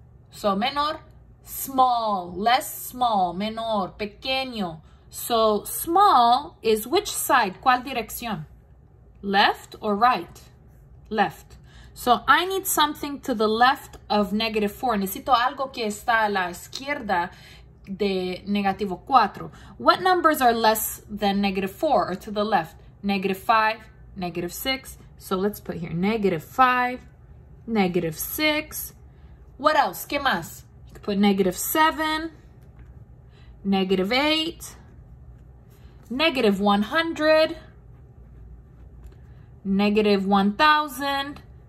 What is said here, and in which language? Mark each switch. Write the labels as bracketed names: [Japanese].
[English] So menor, small, less small, menor, pequeño. So small is which side? [Spanish] ¿Cuál dirección? [English] Left or right? Left. So I need something to the left of -4. [Spanish] Necesito algo que está a la izquierda de -4. [English] What numbers are less than -4 or to the left? -5, -6. So let's put here -5, -6. What else? [Spanish] ¿Qué más? [English] You can put -7, -8, -100, -1000.